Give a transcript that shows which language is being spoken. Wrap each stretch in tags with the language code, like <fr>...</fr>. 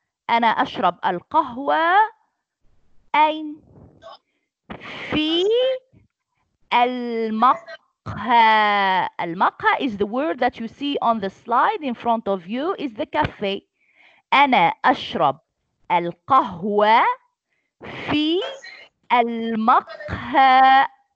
<ar>أنا أشرب القهوة أين؟ في المقهى.</ar> <en>المقهى is the word that you see on the slide in front of you is the cafe.</en> <ar>أنا أشرب القهوة في المقهى.</ar>